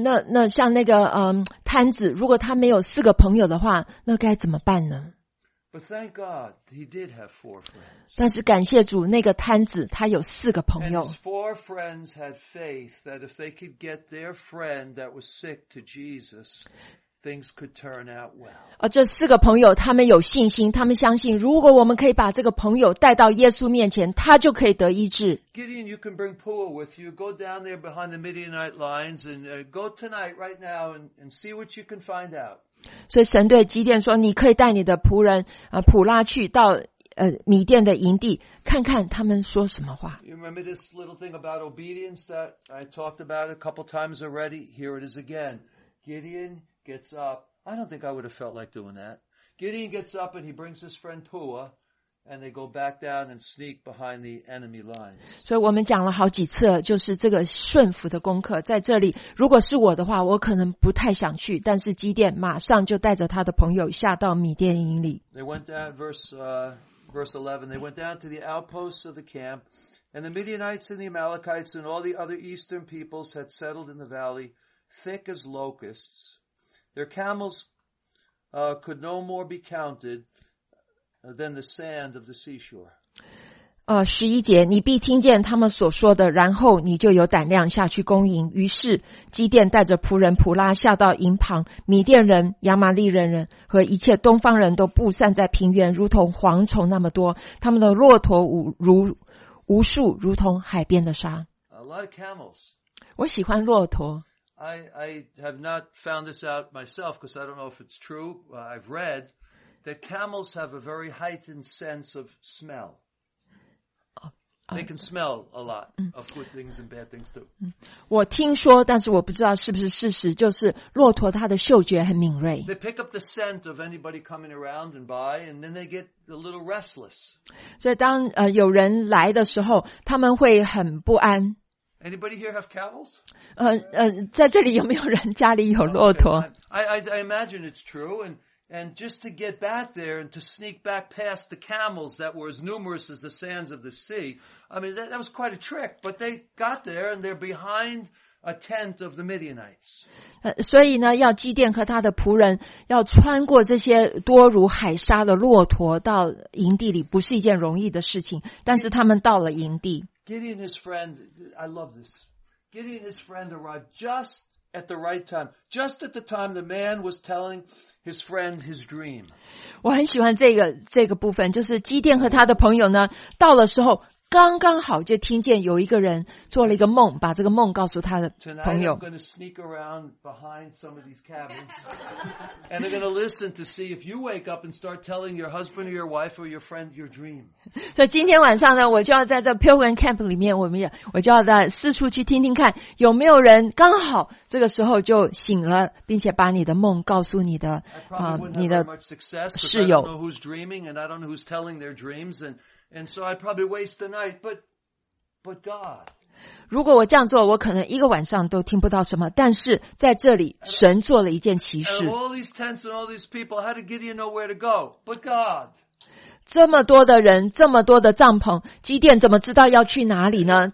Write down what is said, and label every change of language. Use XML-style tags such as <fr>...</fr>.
<zh>那像那个瘫子，如果他没有四个朋友的话，那该怎么办呢？</zh> <en>But thank God, he did have four friends.</en> <zh>但是感谢主，那个瘫子他有四个朋友。</zh> <en>And his four friends had faith that if they could get their friend that was sick to Jesus, things could turn out well.</en> <zh>这四个朋友他们有信心，他们相信如果我们可以把这个朋友带到耶稣面前，他就可以得医治。</zh> <en>Gideon, you can bring Pua with you. Go down there behind the Midianite lines and go tonight right now and see what you can find out.</en> <zh>所以神对基甸说，你可以带你的仆人普拉去到米甸的营地，看看他们说什么话。</zh> <en>You remember this little thing about obedience that I talked about a couple times already? Here it is again. Gideon gets up. I don't think I would have felt like doing that. Gideon gets up and he brings his friend Pua. And they go back down and sneak behind the enemy lines.</en> <zh>所以我们讲了好几次，就是这个顺服的功课在这里。如果是我的话，我可能不太想去。但是基甸马上就带着他的朋友下到米甸营里。</zh> <en>They went down verse 11. They went down to the outposts of the camp, and the Midianites and the Amalekites and all the other eastern peoples had settled in the valley, thick as locusts. Their camels could no more be counted. Than the sand of the seashore.</en> <zh>11节，你必听见他们所说的，然后你就有胆量下去攻营。于是基甸带着仆人普拉下到营旁，米甸人、亚玛利人和一切东方人都布散在平原，如同蝗虫那么多。他们的骆驼无数，如同海边的沙。</zh> <en>A lot of camels.</en> <zh>我喜欢骆驼。</zh> <en>I have not found this out myself because I don't know if it's true. I've read. That camels have a very heightened sense of smell. They can smell a lot of good things and bad things too.</en> <zh>我听说，但是我不知道是不是事实，就是骆驼它的嗅觉很敏锐。</zh> <en>They pick up the scent of anybody coming around and by, and then they get a little restless.</en> <zh>所以当有人来的时候，他们会很不安。</zh> <en>Anybody here have camels?</en> <zh>在这里有没有人家里有骆驼？</zh> <en>I imagine it's true and. And just to get back there and to sneak back past the camels that were as numerous as the sands of the sea, I mean, that was quite a trick, but they got there and they're behind a tent of the Midianites.</en> <zh>所以呢，要基甸和他的仆人要穿过这些多如海沙的骆驼到营地里，不是一件容易的事情，但是他们到了营地。</zh> <en>Gideon, his friend, I love this. Gideon, his friend arrived just at the right time, just at the time the man was tellinghis friend, his dream.</en> <zh>我很喜欢这个部分，就是基甸和他的朋友呢，到了时候刚刚好就听见有一个人做了一个梦，把这个梦告诉他的朋友。</zh> <en>Tonight I'm going to sneak around behind some of these cabins, and I'm going to listen to see if you wake up and start telling your husband or your wife or your friend your dream.</en> <zh>所以今天晚上呢，我就要在这 Pilgrim Camp 里面，我就要在四处去听听看，有没有人刚好这个时候就醒了，并且把你的梦告诉你的你的室友。</zh> <en>I don't know who's dreaming, and I don't know who's telling their dreams, and so I'd probably waste the night, but God.</en> <zh>如果我这样做，我可能一个晚上都听不到什么。但是在这里，神做了一件奇事。</zh> <en>And all these tents and all these people, how did Gideon know where to go? But God.</en> <zh>这么多的人，这么多的帐篷，基甸怎么知道要去哪里呢？</zh>